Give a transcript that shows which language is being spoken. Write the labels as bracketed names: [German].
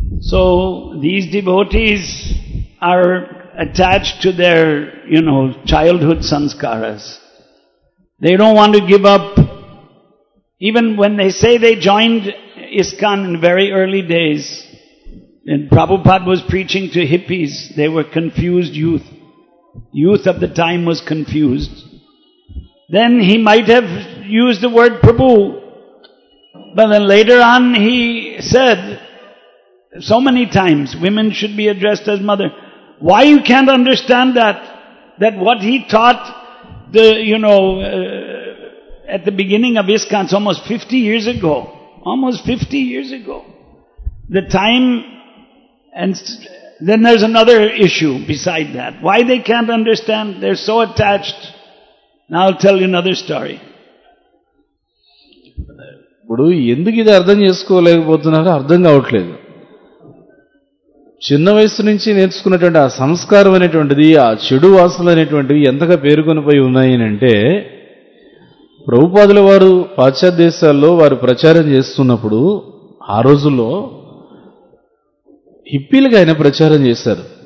[English] So these devotees are attached to their you know childhood samskaras. They don't want to give up. Even when they say they joined ISKCON in very early days and Prabhupad was preaching to hippies, they were confused youth. Youth of the time was confused. Then he might have used the word Prabhu. But then later on he said So many times women should be addressed as mother. Why you can't understand that? That what he taught the, you know, at the beginning of ISKCON, almost 50 years ago. Almost 50 years ago. The time, and then there's another issue beside that. Why they can't understand? They're so attached. Now I'll tell you another story. [Telugu] ఇప్పుడు ఎందుకు ఇది అర్థం చేసుకోలేకపోతున్నారో అర్థం కావట్లేదు. చిన్న వయసు నుంచి నేర్చుకున్నటువంటి ఆ సంస్కారం అనేటువంటిది, ఆ చెడు వాసనలు అనేటువంటివి ఎంతగా పేరుకొని పోయి ఉన్నాయనంటే, ప్రభుపాదుల వారు పాశ్చాత్య దేశాల్లో వారు ప్రచారం చేస్తున్నప్పుడు ఆ రోజుల్లో హిప్పీలకు ఆయన ప్రచారం చేశారు.